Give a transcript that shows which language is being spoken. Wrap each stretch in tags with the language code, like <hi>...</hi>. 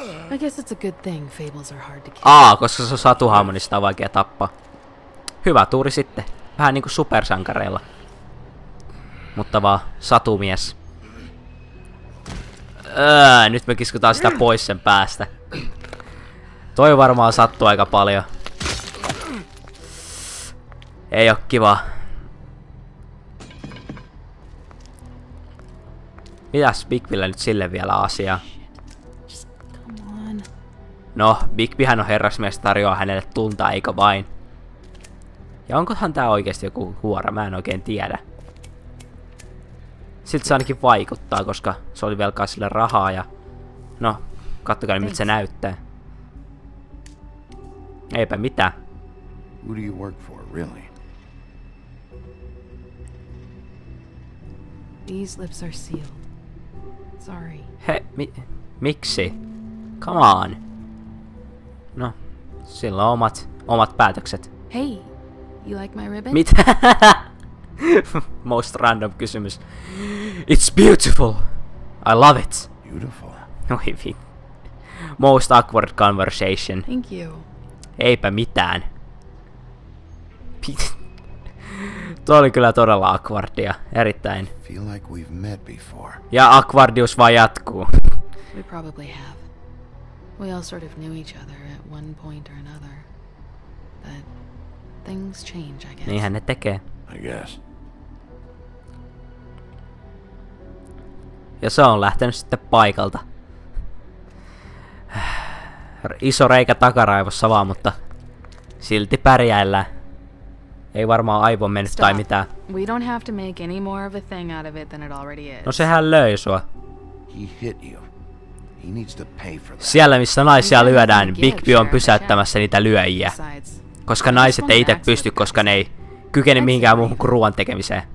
<en>I guess it's a good thing fables are hard to kill.</en> <fi>Aa, koska se on satuhahmo, niin sitä on vaikea tappaa. Hyvä tuuri sitten. Vähän niinku supersankareilla. Mutta vaan satumies. Nyt me kiskutaan sitä pois sen päästä. Toi varmaan sattuu aika paljon. Ei oo kiva. Mitäs Bigbillä nyt sille vielä asiaa? No, Bigbyhän on herrasmies, tarjoaa hänelle tunta, eikö vain? Ja onkohan tää oikeesti joku huora? Mä en oikein tiedä. Silti se ainakin vaikuttaa, koska se oli velkaa sille rahaa ja... No, kattokaa nyt miltä se näyttää. Eipä mitään.</fi> <en>Who do you work for, really? These lips are sealed. Sorry.</en> <fi>He, miksi?</fi> <en>Come on.</en> <fi>No, sillä on omat päätökset.</fi> <en>Hey, you like my ribbon?</en> <fi>Mitä?</fi> <en>Most random kysymys. It's beautiful. I love it. Beautiful.</en> <fi>No hei.</fi> <en>Most awkward conversation. Thank you.</en> <fi>Eipä mitään. Tuo oli kyllä todella awkwardia, erittäin.</fi> <en>Feel like we've met before.</en> <fi>Ja awkwardius vaan jatkuu.</fi> <en>We probably have. We all sort of knew each other at one point or another. But things change, I guess.</en> <fi>Niinhän ne tekee.</fi> <en>I guess.</en> <fi>Ja se on lähtenyt sitten paikalta. Iso reikä takaraivossa vaan, mutta silti pärjäillään. Ei varmaan aivo mennyt tai mitään.</fi> <en>We don't have to make any more of a thing out of it than it already is.</en> <fi>No sehän löi sua.</fi> <en>He hit you. He needs to pay for that.</en> <fi>Siellä missä naisia lyödään, Bigby on pysäyttämässä niitä lyöjiä. Koska naiset ei itse pysty, koska ne ei kykene mihinkään muuhun kuin ruoan tekemiseen.</fi>